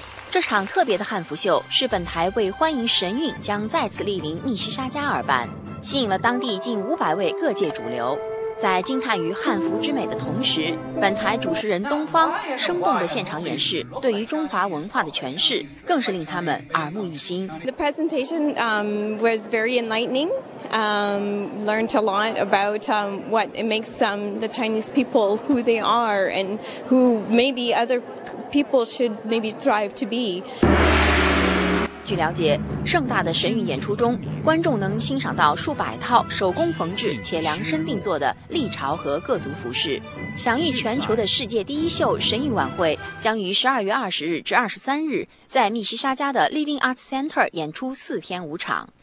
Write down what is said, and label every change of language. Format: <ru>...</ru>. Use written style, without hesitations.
<zh>这场特别的汉服秀是本台为欢迎神韵将再次莅临密西沙加而办，吸引了当地近500位各界主流。在惊叹于汉服之美的同时，本台主持人东方生动的现场演示对于中华文化的诠释更是令他们耳目一新。</zh> <en>The presentation was very enlightening. Learned a lot about what it makes the Chinese people who they are and who maybe other people should maybe thrive to be.</en> <zh>据了解，盛大的神韵演出中，观众能欣赏到数百套手工缝制且量身定做的历朝和各族服饰。享誉全球的世界第一秀神韵晚会将于12月20日至23日在密西沙加的 Living Arts Center 演出4天5场。</zh>